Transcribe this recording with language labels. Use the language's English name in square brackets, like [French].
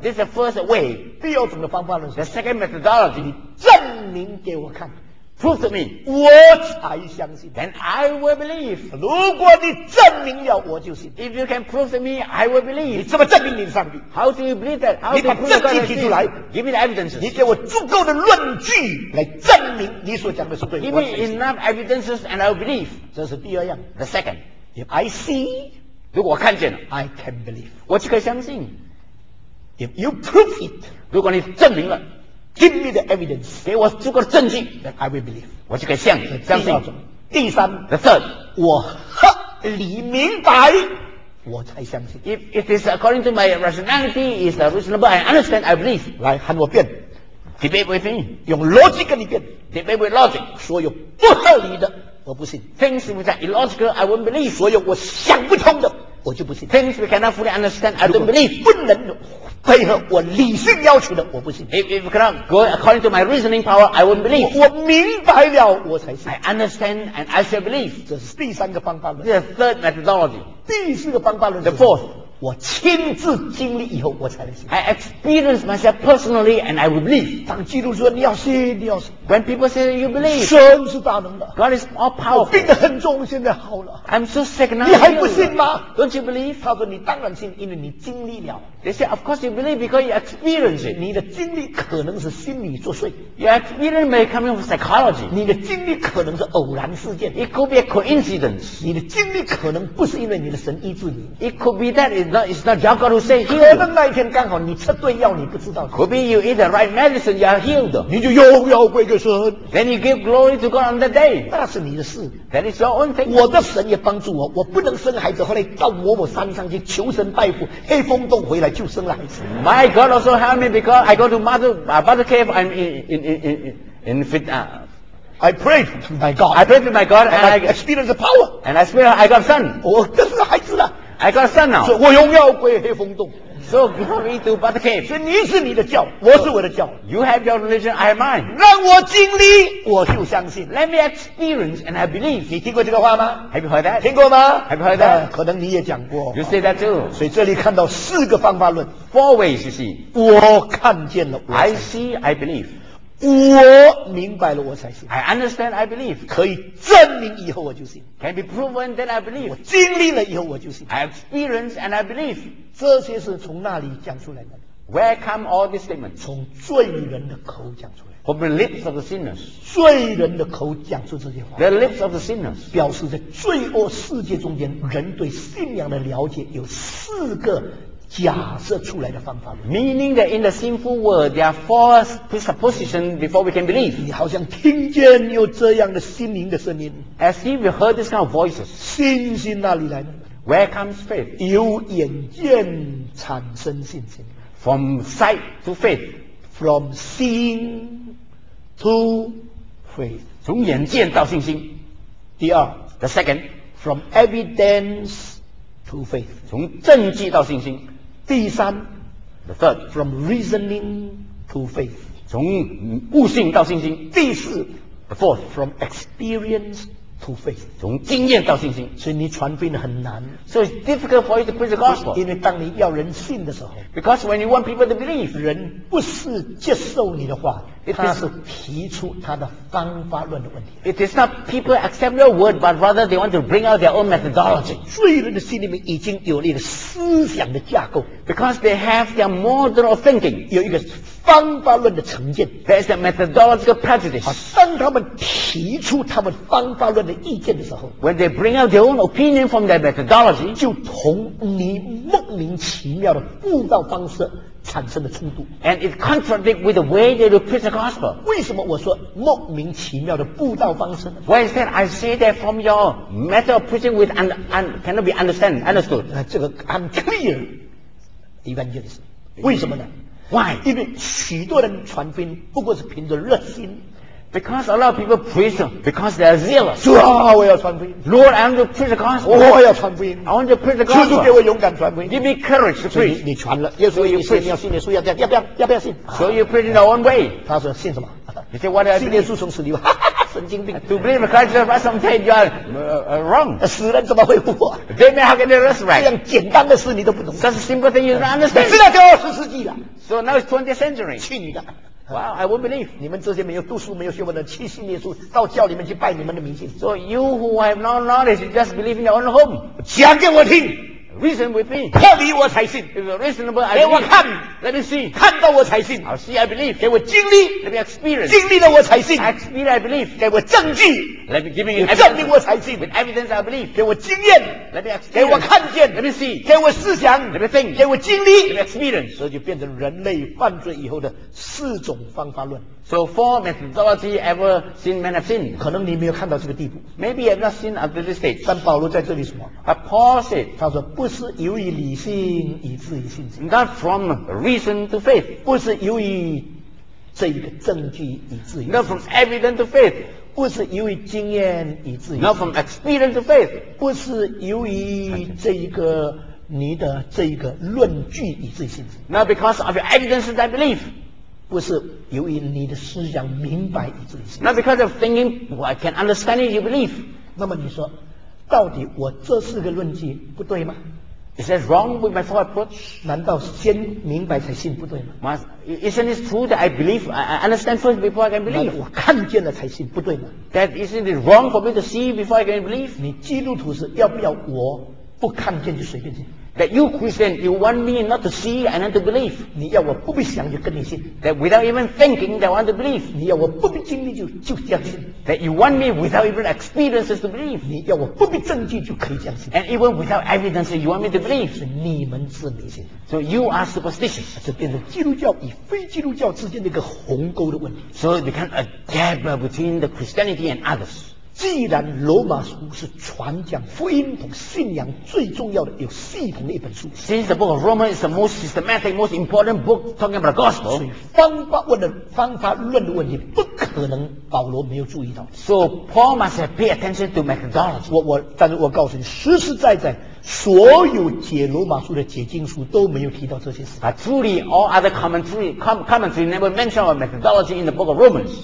[English] This is the first way [Chinese] 第二种的方法论是 [English] The second methodology [Chinese] 你证明给我看 [English] Prove to me [Chinese] 我才相信 [English] Then I will believe [Chinese] 如果你证明了我就信 [English] If you can prove to me I will believe [Chinese] 你怎么证明你的上帝 [English] How do you believe that? How [Chinese] 你把证据提出来 [English] Give me the evidences [Chinese] 你给我足够的论据来证明你所讲的是对的 [English] Give me enough evidences and I'll believe [Chinese] 这是第二样 [English] The second If I see [Chinese] 如果我看见 [English] I can believe [Chinese] 我就可以相信 [English] If you prove it [Chinese] 如果你证明了 [English] Give me the evidence [Chinese] 给我足够的证据 [English] Then I will believe [Chinese] 我就可以相信相信第三 [English] The third [Chinese] 我合理明白我才相信 [English] If it is according to my rationality is reasonable I understand I believe [Chinese] 来喊我变 [English] Debate with me. [Chinese] 用逻辑跟你辩。 [English] Debate with logic. [Chinese] 所有不合理的我不信。 [English] Things which are illogical, I won't believe. [Chinese] 所有我想不通的我就不信。 [English] Things we cannot fully understand, I don't believe. [Chinese] 不能配合我理性要求的我不信。 [English] If you cannot go according to my reasoning power, I won't believe. [Chinese] 我明白了我才信。 [English] I understand and I shall believe. [Chinese] 这是第三个方法论。 [English] The third methodology. [Chinese] 第四个方法论是 [English] The fourth. [Chinese] 我亲自经历以后我才能信 [English] I experience myself personally and I will believe [Chinese] 当基督说你要信你要信 [English] When people say you believe [Chinese] 神是大能的 [English] God is all powerful [Chinese] 我病得很重现在好了 [English] I'm so sick now [Chinese] 你还不信吗 [English] Don't you believe [Chinese] 他说你当然信因为你经历了 [English] They say of course you believe because you experience it [Chinese] 你的经历可能是心理作祟 [English] Your experience may come from psychology [Chinese] 你的经历可能是偶然事件 [English] It could be a coincidence [Chinese] 你的经历可能不是因为你的神医治你 [English] It could be that it's not your God who say healed [Chinese] 可能那一天刚好你吃对药你不知道 [English] Could be you eat the right medicine you are healed [Chinese] 你就荣耀归给神 [English] Then you give glory to God on that day [Chinese] 那是你的事 [English] That is your own thing [Chinese] 我的神也帮助我我不能生孩子后来到某某山上去求神拜佛黑风洞回来就生了孩子 [English] My God also helped me because I go to mother cave I'm in Vietnam I prayed to my God I prayed to my God and I experienced the power and I swear I got son [Chinese] 我这是孩子了 [English] I got son now. [Chinese] 所以我荣耀归黑风洞。 [English] So glory to but cave. [Chinese] 所以你是你的教，我是我的教。 [English] You have your religion, I have mine. [Chinese] 让我经历，我就相信。 [English] Let me experience and I believe. [Chinese] 你听过这个话吗 [English] ？Have you heard that? [Chinese] 听过吗 [English] ？Have you heard that? [Chinese] 可能你也讲过。 [English] You say that too. [Chinese] 所以这里看到四个方法论 [English] ，four ways. You see, [Chinese] 我看见了我。 [English] I see, I believe. [Chinese] 我明白了我才信 [English] I understand I believe [Chinese] 可以证明以后我就信 [English] Can be proven then I believe [Chinese] 我经历了以后我就信 [English] I experience and I believe [Chinese] 这些是从那里讲出来的 [English] Where come all these statements [Chinese] 从罪人的口讲出来 [English] From the lips of the sinners [Chinese] 罪人的口讲出这些话 [English] The lips of the sinners [Chinese] 表示在罪恶世界中间人对信仰的了解有四个假设出来的方法 [English] Meaning that in the sinful world there are four presuppositions before we can believe [Chinese] 你好像听见有这样的心灵的声音 [English] As if you heard this kind of voices [Chinese] 信心哪里来的 [English] Where comes faith [Chinese] 由眼见产生信心 [English] From sight to faith From seeing to faith [Chinese] 从眼见到信心第二 [English] The second From evidence to faith [Chinese] 从证据到信心第三 [English] The third From reasoning to faith [Chinese] 从悟性到信心第四 [English] The fourth From experience to faith [Chinese] 从经验到信心所以你传福音很难 [English] So it's difficult for you to preach the gospel [Chinese] 因为当你要人信的时候 [English] Because when you want people to believe [Chinese] 人不是接受你的话他是提出他的方法论的问题 [English] It is not people accept your word but rather they want to bring out their own methodology [Chinese] 罪人的心里面已经有了一个思想的架构 [English] Because they have their model of thinking [Chinese] 有一个方法论的成见 [English] There is a methodological prejudice [Chinese] 当他们提出他们方法论的意见的时候 [English] When they bring out their own opinion from their methodology [Chinese] 就同你莫名其妙的悟道方式产生的冲突 [English] and it contradicts with the way they will preach the gospel [Chinese] 为什么我说莫名其妙的布道方式 [English] why is that I say that from your method of preaching with and cannot be understood [Chinese] 这个 [English] unclear evangelism [Chinese] 为什么呢 [English] why [Chinese] 因为许多人传福音不过是凭着热心 [English] Because a lot of people preach because they are zealous. [Chinese] 主啊，我要传福音。 [English] Lord, I want to preach the gospel. [Chinese] 我要传福音。 [English] I want to preach the gospel. [Chinese] 主给我勇敢传福音。 [English] Give me courage to preach. [Chinese] 你传了，耶稣你信，你要信耶稣要这样，要不要？要不要信 [English] ？So you preach in your own way. [Chinese] 他说信什么 [English] ？He said what I believe. [Chinese] 信耶稣从死里吧。神经病。 [English] To believe Christ is right, sometimes you are wrong. [Chinese] 死人怎么会复活 [English] ？They may have been resurrected. [Chinese] 这样简单的事你都不懂。 [English] That's a simple thing you don't understand. [Chinese] 你知道这二十世纪了。 [English] So now it's 20th century. [Chinese] 去你的。 [English] Wow, I won't believe. [Chinese] 你们这些没有读书、没有学问的，去信耶稣，到教里面去拜你们的明星。 [English] So you who have no knowledge, just believe in your own home. [Chinese] 讲给我听。 [English] Reason with me. [Chinese] 破迷我才信。 [English] If you're reasonable, I believe. [Chinese] 给我看。 [English] Let me see. [Chinese] 看到我才信。 [English] I'll see, I believe. [Chinese] 给我经历。 [English] Let me experience. [Chinese] 经历了我才信。 [English] I experience, I believe. [Chinese] 给我证据。 [English] Let me give me evidence. [Chinese] 证明我才信。 [English] With evidence, I believe. [Chinese] 给我经验。 [English] Let me experience. [Chinese] 给我看见。 [English] Let me see. [Chinese] 给我思想。 [English] Let me think. [Chinese] 给我经历。 [English] Let me experience. [Chinese] 所以就变成人类犯罪以后的四种方法论。 [English] So four methodology ever seen men have seen. [Chinese] 可能你没有看到这个地步。 [English] Maybe you have not seen at this stage. [Chinese] 但保罗在这里什么 [English] ？But Paul said, [Chinese] 他说不是由于理性以至于信心。 [English] Not from reason to faith. [Chinese] 不是由于这一个证据以至于。 [English] Not from evidence to faith. [Chinese] 不是由于经验以至于。 [English] Not from experience to faith. [Chinese] 不是由于这一个你的这一个论据以至于信心。 [English] Not because of your evidence that belief. [Chinese] 不是由于你的思想明白以至于信心。 [English] Not because of thinking, well, I can understand it, you believe. [Chinese] 那么你说，到底我这四个论据不对吗 [English] ？Is that wrong with my four approach? [Chinese] 难道先明白才信不对吗 [English] ？Isn't it true that I believe, I understand first before I can believe? [Chinese] 我看见了才信不对吗 [English] ？That isn't it wrong for me to see before I can believe? [Chinese] 你基督徒是要不要我不看见就随便信？ [English] That you Christian, you want me not to see and not to believe. [Chinese] 你要我不必想就跟你信。 [English] That without even thinking, that I want to believe. [Chinese] 你要我不必经历就相信。 [English] That you want me without even experiences to believe. [Chinese] 你要我不必证据就可以相信。 [English] And even without evidence, you want me to believe. [Chinese] 是你们自迷信。 [English] So you are superstitious. [Chinese] 这变成基督教与非基督教之间的一个鸿沟的问题。 [English] So it became a gap between the Christianity and others. [Chinese] 既然罗马书是传讲福音同信仰最重要的有系统的一本书 [English] Since the book of Romans is the most systematic, most important book talking about the gospel [Chinese] 所以方法论的方法论的问题不可能保罗没有注意到 [English] So Paul must have paid attention to methodology [Chinese] 但是我告诉你实实在在所有解罗马书的解经书都没有提到这些事 [English] But truly all other commentary never mention our methodology in the book of Romans